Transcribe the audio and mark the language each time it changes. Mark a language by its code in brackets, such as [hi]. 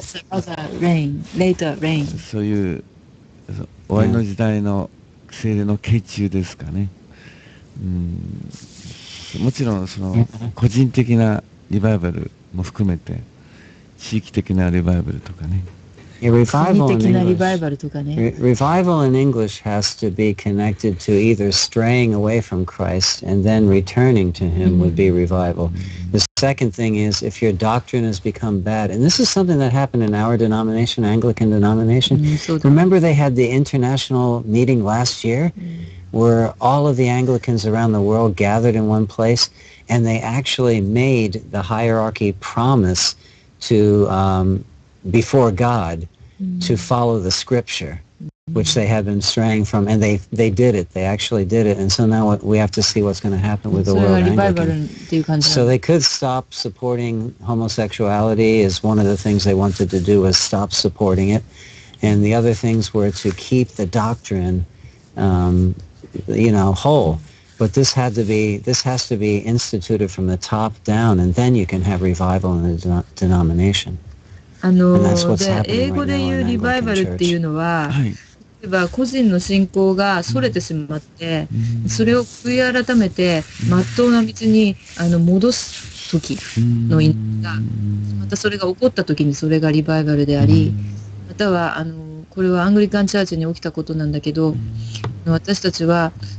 [en] Rain. Later rain. [ja] そういう終わりの時代の聖霊の血中ですかね。もちろんその個人的なリバイバルも含めて地域的なリバイバルとかね。 [en] Revival in English. Revival in English has to be connected to either straying away from Christ and then returning to Him would be revival. The second thing is if your doctrine has become bad, and this is something that happened in our denomination, Anglican denomination. Remember they had the international meeting last year where all of the Anglicans around the world gathered in one place and they actually made the hierarchy promise to... before God to follow the scripture which they had been straying from, and they did it, they actually did it, and so now we have to see what's going to happen with the world Anglican. So they could stop supporting homosexuality is one of the things they wanted to do, was stop supporting it, and the other things were to keep the doctrine you know whole. But this had to be, this has to be instituted from the top down, and then you can have revival in the denomination. [ja] で英語で言うリバイバルっていうのは、例えば個人の信仰がそれてしまって、それを悔い改めて、真っ当な道に戻す時の意味が、またそれが起こった時にそれがリバイバルであり、またはこれはアングリカンチャーチに起きたことなんだけど、私たちは